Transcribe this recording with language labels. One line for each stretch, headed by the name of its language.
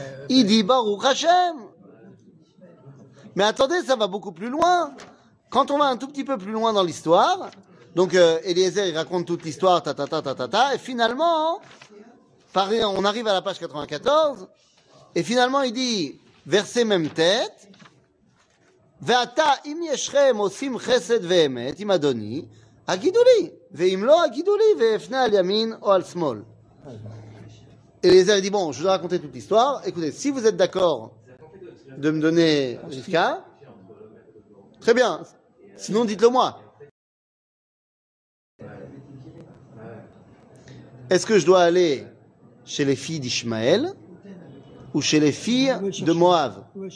French: Il dit Baruch Hashem. Mais attendez, ça va beaucoup plus loin. Quand on va un tout petit peu plus loin dans l'histoire, donc Eliezer, il raconte toute l'histoire, ta ta ta ta ta ta, et finalement, on arrive à la page 94, et finalement, il dit verset même tête.
Hebrew: ואתה, אם ישכם עושים חסד ואמת עם אדוני, אגידו לי. ואם לא, אגידו לי ואפנה על ימין או על שמאל.
French: אליעזר דיבור, je vous raconte toute l'histoire. Écoutez, si vous êtes d'accord de me donner Rivka, très bien. Sinon, dites-le moi. Est-ce que je dois aller chez les filles d'Ishmaël ou chez les filles de Moab?